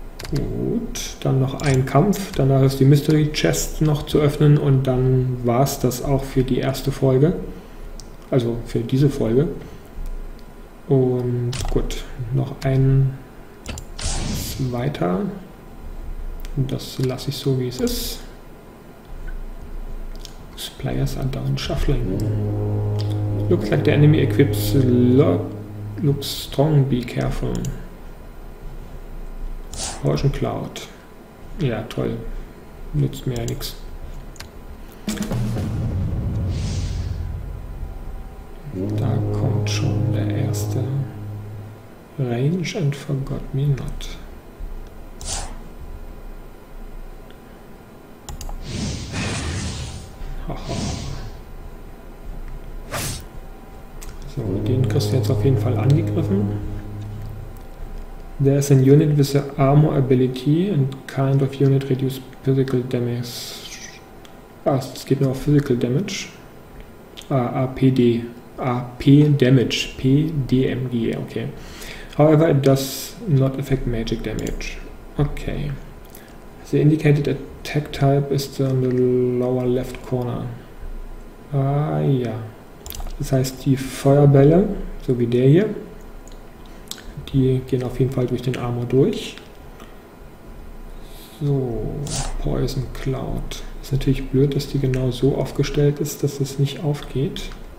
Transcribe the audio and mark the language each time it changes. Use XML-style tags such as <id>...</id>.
<de>Gut, dann noch ein Kampf, danach ist die Mystery Chest noch zu öffnen und dann war es das auch für die erste Folge. Also für diese Folge. Und gut, noch ein weiter. Und das lasse ich so, wie es ist.</de> <en>Those players are down shuffling. Looks like the enemy equips looks strong, be careful.</en> <de>Potion Cloud. Ja, toll. Nützt mir ja nichts. Da kommt schon der erste.</de> <en>Range and forgot me not.</en> <de>So, den kriegst du jetzt auf jeden Fall angegriffen.</de> <en>There is a unit with an armor ability and kind of unit reduce physical damage.</en> <de>Ah, es geht nur auf physical damage. Ah, APD.</de> <en>AP Damage. PDMG, okay. However, it does not affect magic damage. Okay. The indicated attack type is on the lower left corner.</en> <de>Ah, ja. Das heißt, die Feuerbälle, so wie der hier, die gehen auf jeden Fall durch den Armor durch. So, Poison Cloud. Ist natürlich blöd, dass die genau so aufgestellt ist, dass es nicht aufgeht.</de>